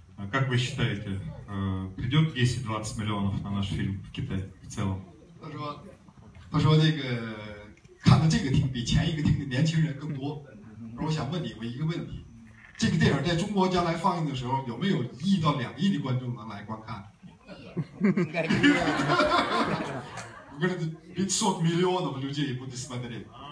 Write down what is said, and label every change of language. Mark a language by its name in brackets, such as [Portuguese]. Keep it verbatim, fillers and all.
[Russian] Как вы считаете, придет десять-двадцать миллионов на наш фильм в Китае в целом? [Chinese] 他说，他说这个看到这个厅比前一个厅的年轻人更多。而我想问你们一个问题：这个电影在中国将来放映的时候，有没有一亿到两亿的观众能来观看？我跟你说， [Russian] пятьсот миллионов людей будут смотреть.